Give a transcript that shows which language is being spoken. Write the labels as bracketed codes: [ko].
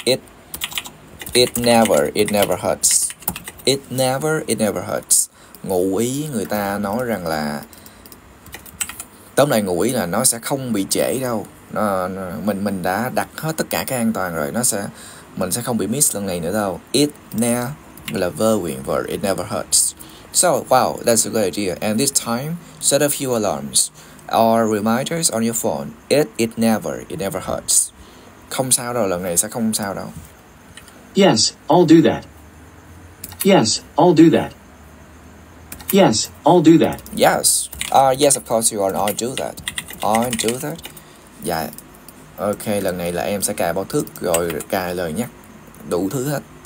[en] It never hurts. It never hurts. [vi] Ngụ ý người ta nói rằng là tóm lại ngụ ý là nó sẽ không bị trễ đâu. Mình đã đặt hết tất cả các an toàn rồi, mình sẽ không bị miss lần này nữa đâu. [en] It never hurts. So, wow, that's a good idea. And this time, set a few alarms or reminders on your phone. It never hurts. [vi] Không sao đâu, lần này sẽ không sao đâu. [en] Yes, I'll do that. Yes, I'll do that. Yes, I'll do that. Yes. Yes, of course you are. I'll do that. Yeah. [vi] Okay, lần này là em sẽ cài báo thức rồi cài lời nhắc đủ thứ hết.